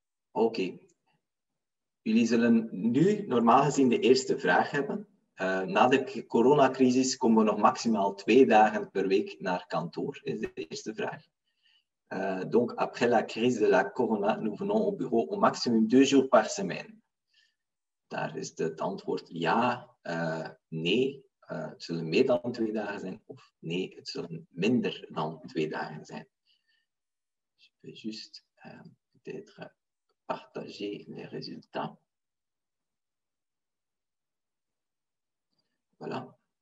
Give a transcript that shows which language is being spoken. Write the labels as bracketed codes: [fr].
[nl] Oké. Jullie zullen nu normaal gezien de eerste vraag hebben. Na de coronacrisis komen we nog maximaal 2 dagen per week naar kantoor, is de eerste vraag. [fr] Donc après la crise de la corona, nous venons au bureau au maximum 2 jours par semaine. [nl] Daar is het antwoord ja, nee, het zullen meer dan 2 dagen zijn, of nee, het zullen minder dan 2 dagen zijn. [fr] Je vais juste peut-être partager les résultats. Voilà.